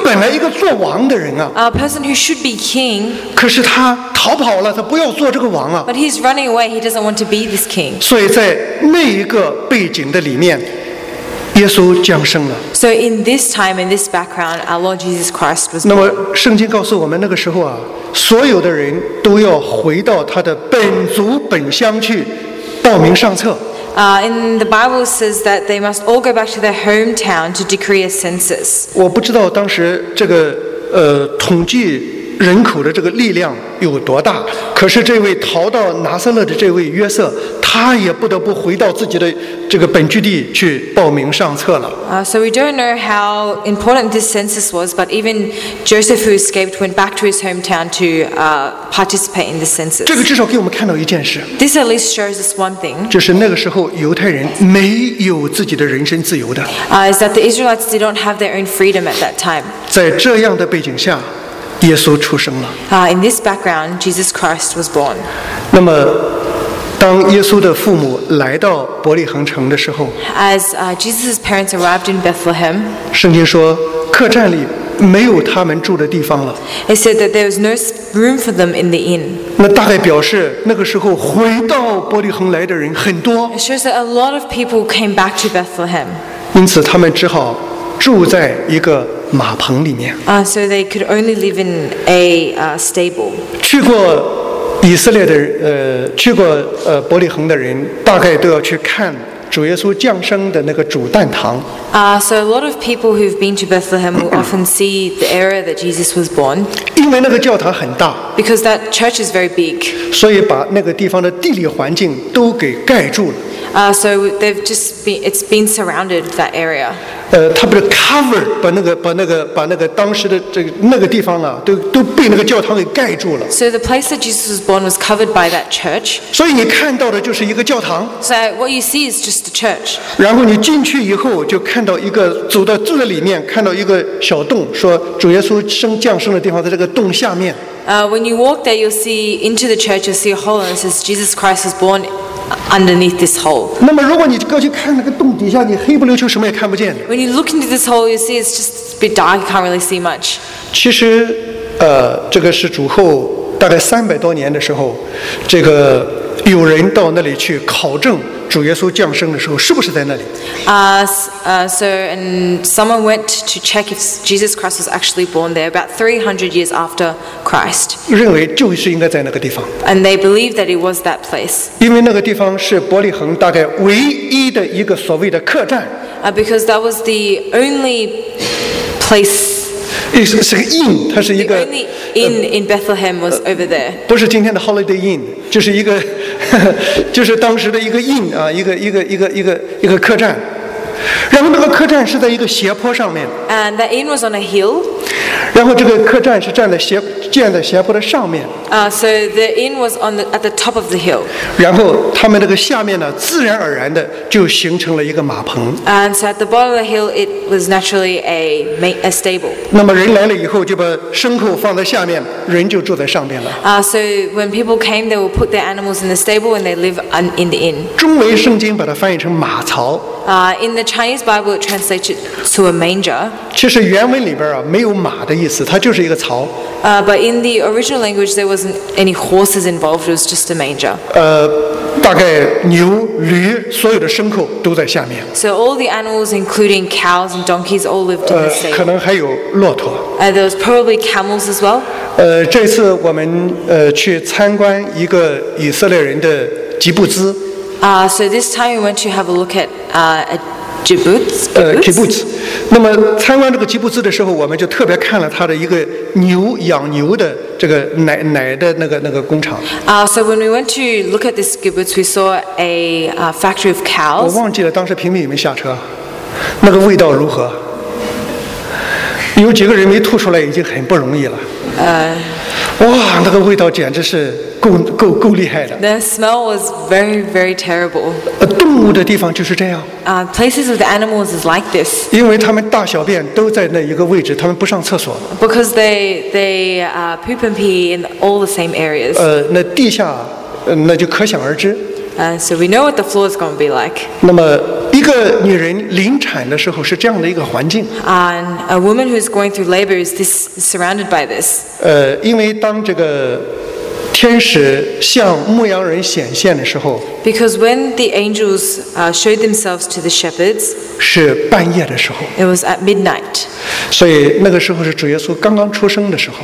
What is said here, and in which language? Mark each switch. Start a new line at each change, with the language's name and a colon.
Chinese: 一个本来一个做王的人啊
English: ，A person who should be king.
Chinese: 可是他逃跑了，他不要做这个王啊。
English: But he's running away. He doesn't want to be this king.
Chinese: 所以在那一个背景的里面。耶稣降生了。
English: So in this time, in this background, our Lord Jesus Christ was.
Chinese: 那么圣经告诉我们，那个时候啊，所有的人都要回到他的本族本乡去报名上册。
English: In the Bible says that they must all go back to their hometown to decree a census.
Chinese: 我不知道当时这个统计人口的这个力量有多大，可是这位逃到拿撒勒的这位约瑟。他也不得不回到自己的这个本居地去报名上册了。
English: So we don't know how important this census was, but even Joseph, who escaped, went back to his hometown to participate in the census.
Chinese: 这个至少给我们看到一件事。
English: This at least shows us one thing.
Chinese: 就是那个时候犹太人没有自己的人身自由的。
English: Is that the Israelites did not have their own freedom at that time?
Chinese: 在这样的背景下，耶稣出生了。
English: In this background, Jesus Christ was born.
Chinese: 那么。当耶稣的父母来到伯利恒城的时候
English: ，As Jesus' parents arrived in Bethlehem，
Chinese: 圣经说客栈里没有他们住的地方了。
English: It said that there was no room for them in the inn。
Chinese: 那大概表示那个时候回到伯利恒来的人很多。
English: It shows that a lot of people came back to Bethlehem。
Chinese: 因此他们只好住在一个马棚里面。
English: So they could only live in a stable。
Chinese: 去过。以色列的去过伯利恒的人，大概都要去看主耶稣降生的那个主诞堂。
English: So a lot of people who've been to Bethlehem will often see the area that Jesus was born.
Chinese: 因为那个教堂很大。
English: Because that church is very big.
Chinese: 所以把那个地方的地理环境都给盖住了。
English: So they've just been, it's been surrounded, that area.
Chinese: 他们的 cover 把那个当时的这个、那个地方啊，都被那个教堂给盖住了。
English: So the place that Jesus was born was covered by that church.
Chinese: 所以你看到的就是一个教堂。
English: So what you see is just a church.
Chinese: 然后你进去以后就看到一个走到这里面看到一个小洞，说主耶稣升降生的地方在这个洞下面。
English: When you walk there, you'll see into the church. You'll see a hole, and it says Jesus Christ was born underneath this hole.
Chinese: 那么如果你过去看那个洞底下，你黑不溜秋什么也看不见。
English: When you look into this hole, you see it's just a bit dark. You can't really see much.
Chinese: 其实，这个是主后大概三百多年的时候，这个有人到那里去考证主耶稣降生的时候是不是在那里。
English: And someone went to check if Jesus Christ was actually born there about 300 years after Christ.
Chinese: 认为就是应该在那个地方。
English: And they believed that it was that place.
Chinese: 因为那个地方是伯利恒大概唯一的一个所谓的客栈。
English: Because that was the only place.
Chinese: 是个 inn， 它是一个。
English: The only inn in Bethlehem was over there。
Chinese: 不是今天的 Holiday Inn， 就是一个，就是当时的一个 inn 啊，一个客栈。然后那个客栈是在一个斜坡上面。
English: And the inn was on a hill。
Chinese: 然后这个客栈是建在斜坡的上面。
English: So the inn was on the at the top of the hill。
Chinese: 然后他们那个下面呢，自然而然的就形成了一个马棚。
English: And so at the bottom of the hill, it was naturally a stable。
Chinese: 那么人来了以后，就把牲口放在下面，人就住在上面了。
English: So when people came, they would put their animals in the stable and they live in the inn。
Chinese: 中文圣经把它翻译成马槽。
English: In the Chinese Bible, it translates it to a manger.
Chinese: 其实原文里边啊，没有马的意思，它就是一个槽。
English: But in the original language, there wasn't any horses involved. It was just a manger.
Chinese: 大概牛、驴所有的牲口都在下面。
English: So all the animals, including cows and donkeys, all lived in the stable.
Chinese: 可能还有骆驼。
English: There was probably camels as well.
Chinese: 这次我们去参观一个以色列人的吉布兹。
English: So this time we went to have a look at kibbutz. Kibbutz.
Chinese: 那么参观这个吉布兹的时候，我们就特别看了它的一个牛养牛的这个奶的那个工厂。
English: So when we went to look at this kibbutz, we saw a factory of cows.
Chinese: 我忘记了当时平民有没有下车，那个味道如何？有几个人没吐出来已经很不容易了。哇，那个味道简直是。够厉害的。
English: The smell was very, very terrible.
Chinese: 动物的地方就是这样。
English: Places of the animals is like this.
Chinese: 因为他们大小便都在那一个位置，他们不上厕所。
English: Because they poop and pee in all the same areas.
Chinese: 那地下，那就可想而知。
English: So we know what the floor is going to be like.
Chinese: 那么一个女人临产的时候是这样的一个环境。
English: And a woman who is going through labor is this surrounded by this.
Chinese: 因为当这个天使向牧羊人显现的时候
English: ，Because when the angels showed themselves to the shepherds，
Chinese: 是半夜的时候
English: ，It was at midnight。
Chinese: 所以那个时候是主耶稣刚刚出生的时候。